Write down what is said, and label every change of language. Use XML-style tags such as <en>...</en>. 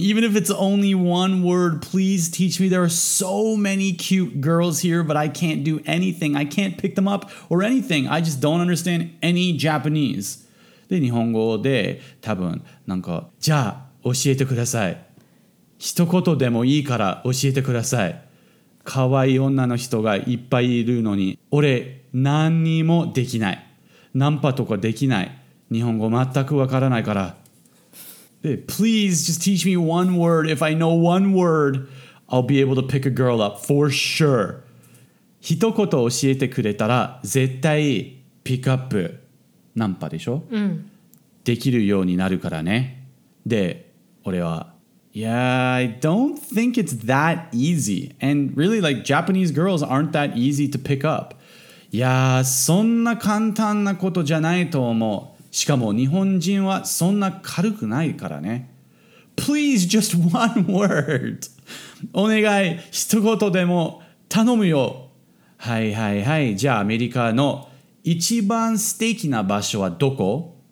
<en>Even if it's only one word, please teach me. There are so many cute girls here, but I can't do anything. I can't pick them up or anything. I just don't understand any Japanese.</en> <ja>で、日本語で多分なんか、じゃあ教えてください。一言でもいいから教えてください。可愛い女の人がいっぱいいるのに、俺何にもできない。ナンパとかできない。日本語全くわからないから。</ja> <en>で、Please just teach me one word. If I know one word, I'll be able to pick a girl up for sure.</en> <ja>一言教えてくれたら絶対ピックアップナンパでしょ、うん、できるようになるからね。で、俺は</ja> <en>Yeah, I don't think it's that easy. And really, like, Japanese girls aren't that easy to pick up.</en> <ja>いやー、そんな簡単なことじゃないと思う。しかも日本人はそんな軽くないからね。</ja> <en>Please, just one word.</en> <ja>お願い、一言でも頼むよ。はいはいはい。じゃあアメリカの一番素敵な場所はどこ？</ja>